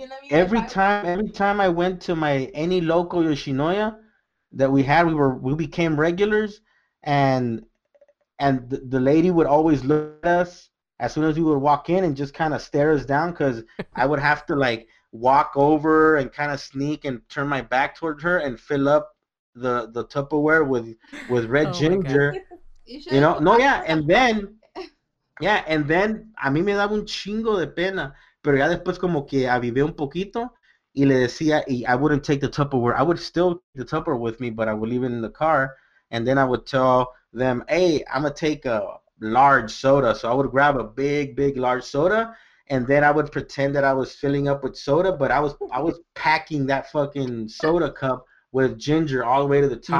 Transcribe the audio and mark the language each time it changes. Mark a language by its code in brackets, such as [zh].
[en] Every time I went to any local Yoshinoya that we had, we became regulars, and the lady would always look at us as soon as we would walk in and just kind of stare us down, because I would have to walk over and kind of sneak and turn my back toward her and fill up the Tupperware with red ginger. And then [es] a mí me daba un chingo de pena, pero ya después como que avivé un poquito y le decía, [en] I wouldn't take the Tupperware. I would still take the Tupperware with me, but I would leave it in the car, and then I would tell them, hey, I'm gonna take a large soda. So I would grab a big large soda, and then I would pretend that I was filling up with soda, but I was packing that fucking soda cup with ginger all the way to the top.